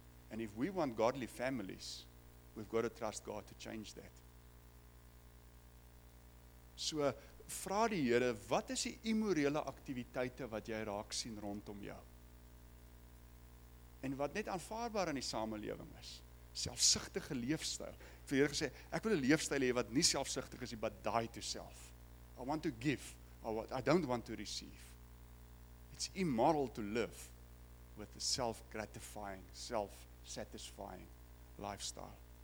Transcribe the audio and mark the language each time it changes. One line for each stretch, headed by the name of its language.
English: And if we want godly families, we've got to trust God to change that.
Afrikaans: So vra die Here, wat is die immorele aktiwiteite wat jy raak sien rondom jou? En wat net aanvaarbaar in die samelewing is. Selfsugtige leefstyl. Vir die Here gesê, ek wil 'n leefstyl hê wat nie selfsugtig is nie,
English: but die to self. I want to give, or what I don't want to receive. It's immoral to live with a self-gratifying, self-satisfying lifestyle.